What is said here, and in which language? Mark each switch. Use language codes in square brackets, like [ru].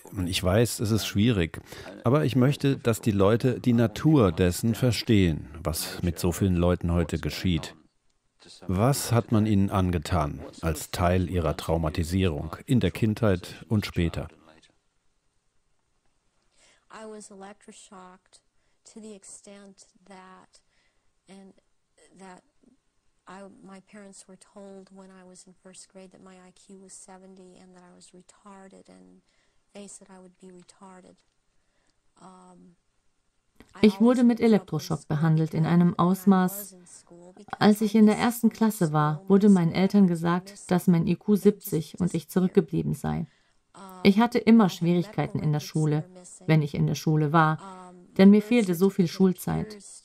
[de] Ich weiß, es ist schwierig, aber ich möchte, dass die Leute die Natur dessen verstehen, was mit so vielen Leuten heute geschieht. Was hat man ihnen angetan als Teil ihrer Traumatisierung in der Kindheit und später? [en] I was electroshocked to the extent that my parents were told when I was in first grade that my IQ was 70 and that I was retarded and they said I would be retarded. [de] Ich wurde mit Elektroschock behandelt in einem Ausmaß. Als ich in der ersten Klasse war, wurde meinen Eltern gesagt, dass mein IQ 70 und ich zurückgeblieben sei. Ich hatte immer Schwierigkeiten in der Schule, wenn ich in der Schule war, denn mir fehlte so viel Schulzeit.